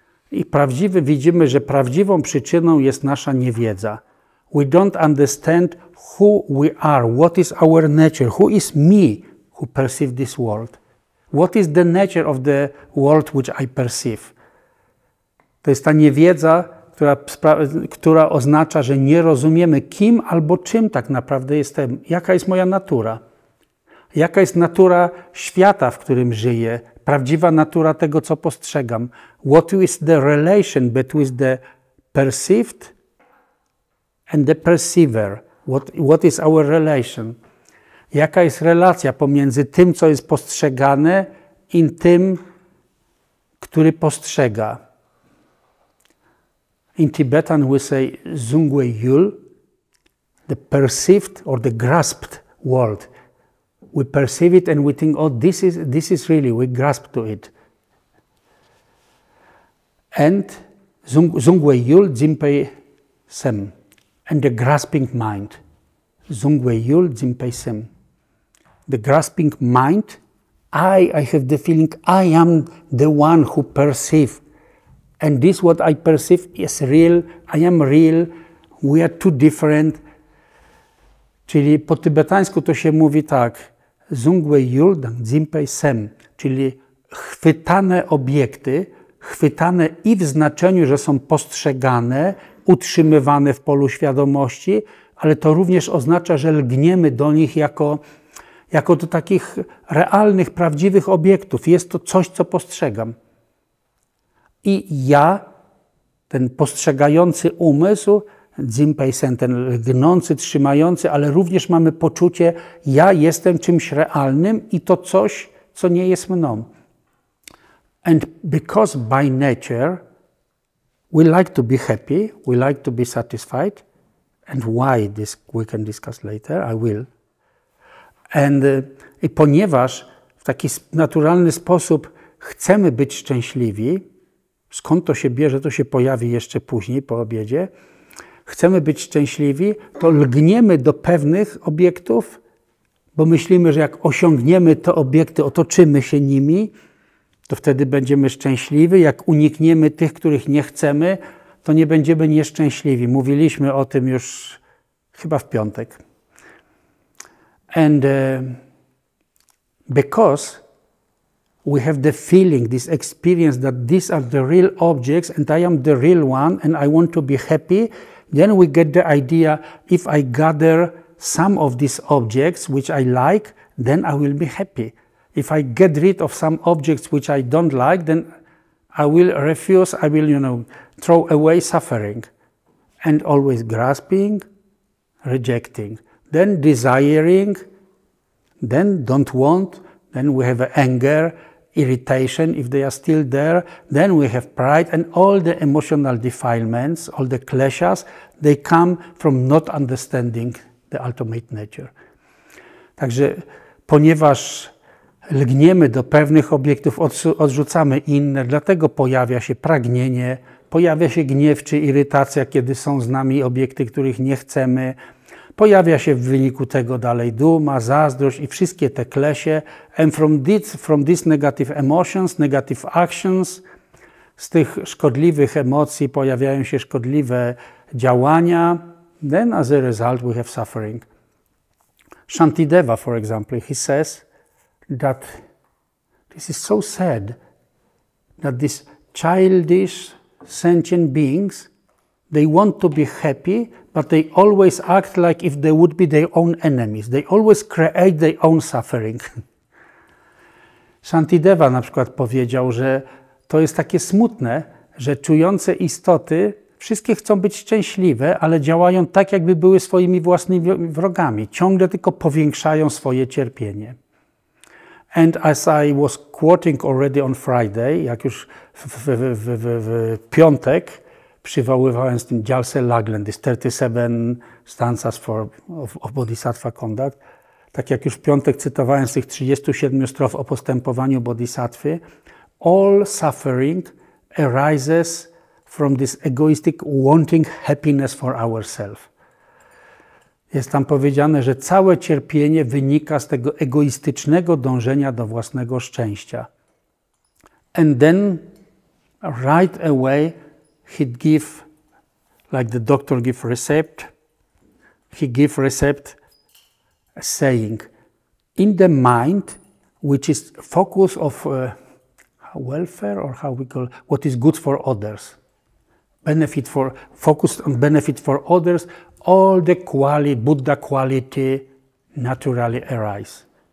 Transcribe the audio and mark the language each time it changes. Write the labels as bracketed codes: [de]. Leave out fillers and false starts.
[pl] I prawdziwy, widzimy, że prawdziwą przyczyną jest nasza niewiedza. [en] We don't understand who we are, what is our nature, who is me who perceive this world. What is the nature of the world which I perceive? [pl] To jest ta niewiedza, która oznacza, że nie rozumiemy, kim albo czym tak naprawdę jestem, jaka jest moja natura, jaka jest natura świata, w którym żyję, prawdziwa natura tego, co postrzegam. [en] What is the relation between the perceived and the perceiver? What is our relation? [pl] Jaka jest relacja pomiędzy tym, co jest postrzegane, i tym, który postrzega? [en] In Tibetan we say Zungwe Yul, the perceived or the grasped world. We perceive it and we think, oh, this is really, we grasp to it. And Zungwe Yul Dzimpe Sem, and the grasping mind. Zungwe Yul Dzimpe Sem. The grasping mind, I have the feeling I am the one who perceive. And this what I perceive is real, I am real, we are too different. [pl] Czyli po tybetańsku to się mówi tak, Zungwe Yul Dzimpe Sem, czyli chwytane obiekty, chwytane i w znaczeniu, że są postrzegane, utrzymywane w polu świadomości, ale to również oznacza, że lgniemy do nich jako do takich realnych, prawdziwych obiektów. Jest to coś, co postrzegam. I ja, ten postrzegający umysł, Dzimpej Sen, ten lgnący, trzymający, ale również mamy poczucie, ja jestem czymś realnym i to coś, co nie jest mną. [en] And because by nature we like to be happy, we like to be satisfied, and why this we can discuss later, I will. [pl] And i ponieważ w taki naturalny sposób chcemy być szczęśliwi, skąd to się bierze, to się pojawi jeszcze później po obiedzie, chcemy być szczęśliwi, to lgniemy do pewnych obiektów, bo myślimy, że jak osiągniemy te obiekty, otoczymy się nimi, to wtedy będziemy szczęśliwi. Jak unikniemy tych, których nie chcemy, to nie będziemy nieszczęśliwi. Mówiliśmy o tym już chyba w piątek. [en] And because we have the feeling, this experience that these are the real objects and I am the real one and I want to be happy, then we get the idea, if I gather some of these objects which I like, then I will be happy. If I get rid of some objects which I don't like, then I will refuse, I will, you know, throw away suffering. And always grasping, rejecting. Then desiring, then don't want, then we have anger, irritation, if they are still there, then we have pride, and all the emotional defilements, all the kleshas, they come from not understanding the ultimate nature. [pl] Także ponieważ lgniemy do pewnych obiektów, odrzucamy inne, dlatego pojawia się pragnienie, pojawia się gniew czy irytacja, kiedy są z nami obiekty, których nie chcemy. Pojawia się w wyniku tego dalej duma, zazdrość i wszystkie te klesie. [en] And from these negative emotions, negative actions, [pl] z tych szkodliwych emocji pojawiają się szkodliwe działania. [en] Then as a result we have suffering. Shantideva, for example, he says that this is so sad that these childish sentient beings, they want to be happy, but they always act like if they would be their own enemies. They always create their own suffering. [pl] Shantideva na przykład powiedział, że to jest takie smutne, że czujące istoty Wszystkie chcą być szczęśliwe, ale działają tak, jakby były swoimi własnymi wrogami. Ciągle tylko powiększają swoje cierpienie. [en] And as I was quoting already on Friday, [pl] jak już w piątek przywoływałem z tym Jalsa Laglen, [en] 37 stanzas of Bodhisattva Conduct, [pl] tak jak już w piątek cytowałem z tych 37 strof o postępowaniu Bodhisattwy, [en] all suffering arises from this egoistic wanting happiness for ourselves. [pl] Jest tam powiedziane, że całe cierpienie wynika z tego egoistycznego dążenia do własnego szczęścia. [en] And then, right away, he'd give, like the doctor give recept, he give recept saying, in the mind, which is focus of welfare, or how we call it, what is good for others, benefit for, focused on benefit for others, all the quality, Buddha quality, naturally arise.